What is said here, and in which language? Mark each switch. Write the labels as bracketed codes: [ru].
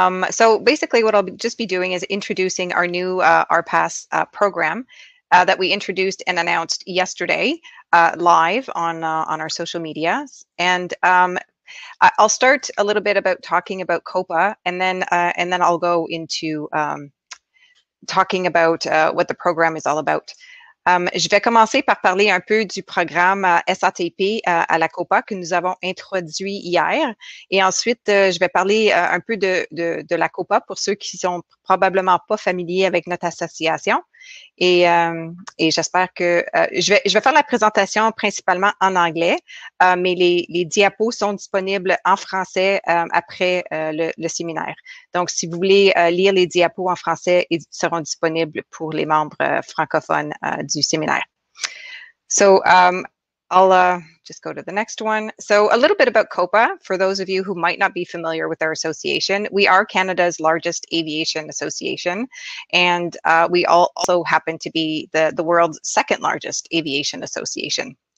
[en] So basically what I'll just be doing is introducing our new RPAS program that we introduced and announced yesterday live on our social media. And I'll start a little bit about talking about COPA, and then I'll go into talking about what the program is all about. [fr] Je vais commencer par parler un peu du programme SATP à la COPA que nous avons introduit hier. Et ensuite, je vais parler un peu de la COPA pour ceux qui sont probablement pas familiers avec notre association. Et j'espère que je vais faire la présentation principalement en anglais, mais les diapos sont disponibles en français après le séminaire. Donc, si vous voulez lire les diapos en français, ils seront disponibles pour les membres francophones du séminaire. [en] So, I'll just go to the next one. So, a little bit about COPA for those of you who might not be familiar with our association. We are Canada's largest aviation association, and we also happen to be the world's second largest aviation association.